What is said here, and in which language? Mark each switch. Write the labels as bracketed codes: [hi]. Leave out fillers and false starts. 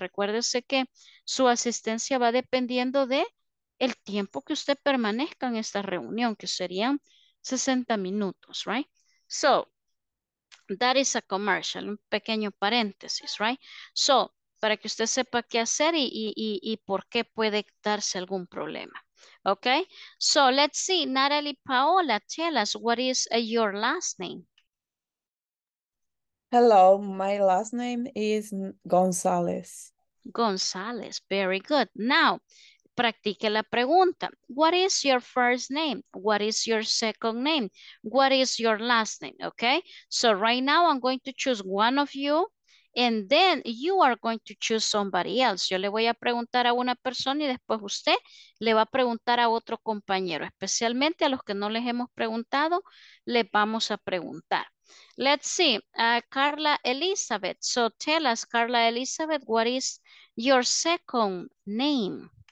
[es] Recuérdese que su asistencia va dependiendo de el tiempo que usted permanezca en esta reunión, que serían 60 minutos, right? [en] So, that is a commercial, [es] un pequeño paréntesis, [en] right? [es] So, para que usted sepa qué hacer y por qué puede darse algún problema, okay? [en] So, let's see, Natalie Paola, tell us, what is your last name? Hello, my last name is Gonzalez. Gonzalez, very good. Now, [es] practique la pregunta. [en] What is your first name? What is your second name? What is your last name? Okay, so right now I'm going to choose one of you and then you are going to choose somebody else. [es] Yo le voy a preguntar a una persona y después usted le va a preguntar a otro compañero. Especialmente a los que no les hemos preguntado, les vamos a preguntar. [en] Let's see, Carla Elizabeth. So tell us, Carla Elizabeth, what is your second name?